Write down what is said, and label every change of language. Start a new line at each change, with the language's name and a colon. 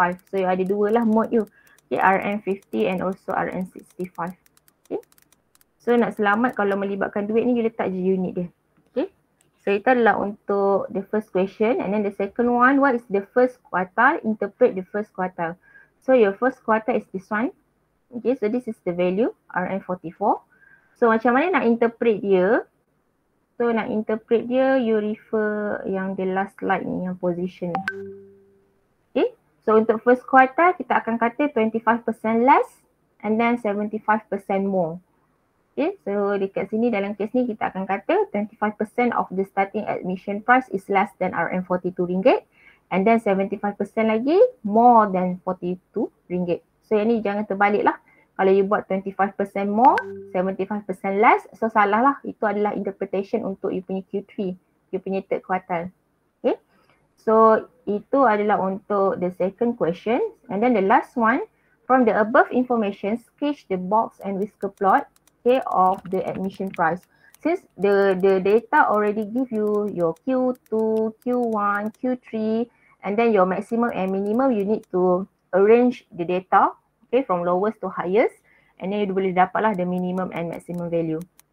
English: So you
Malay: ada 2 lah
English: mode you. Okay, RN50 and also RN65. Okay.
Malay: So nak selamat kalau melibatkan duit ni, you letak je unit dia. Okay. So itu adalah untuk
English: the first question. And then the second one, what is the first quartile? Interpret the first quartile. So your first quartile is this one. Okay, so this is the value RM44. So
Malay: macam mana nak interpret dia? So nak interpret dia, you refer yang
English: the last slide
Malay: ni, yang position ni.
English: Okay, so untuk first quartile,
Malay: kita akan kata
English: 25% less and then 75% more. Okay, so
Malay: dekat sini, dalam kes ni, kita akan kata
English: 25% of the starting admission price is less than RM42. And then 75%
Malay: lagi
English: more than RM42.
Malay: So yang ni jangan terbalik lah. Kalau you buat
English: 25% more, 75% less,
Malay: so salah lah. Itu adalah interpretation untuk you punya Q3, you punya third quarter. Okay. So itu adalah untuk
English: the second question. And then the last one, from the above information, sketch the box and whisker plot, okay, of the admission price. Since the data already give you your Q2, Q1, Q3 and then your maximum and minimum, you need to arrange the data, okay, from lowest to highest, and then you
Malay: boleh dapatlah
English: the minimum and maximum value.